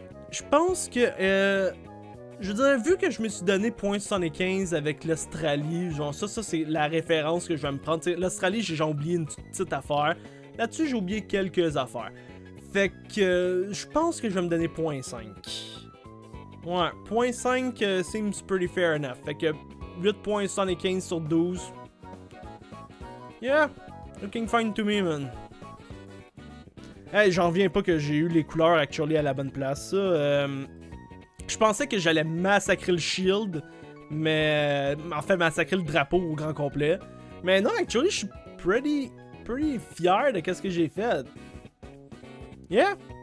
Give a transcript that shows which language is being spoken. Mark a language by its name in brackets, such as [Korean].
[French] Je pense que... je veux dire, vu que je me suis donné 0.75 avec l'Australie, genre ça, c'est la référence que je vais me prendre. T'sais, l'Australie, j'ai oublié une petite affaire. Là-dessus, j'ai oublié quelques affaires. Fait que je pense que je vais me donner 0.5. [English] Ouais, 0.5 seems pretty fair enough. [French] Fait que 8.75 sur 12. [English] Yeah, looking fine to me, man. [French] Hey, j'en reviens pas que j'ai eu les couleurs actually à la bonne place. Je pensais que j'allais massacrer le shield, mais en fait massacrer le drapeau au grand complet. Mais non, actually, je suis pretty fier de qu'est-ce que j'ai fait. Yeah.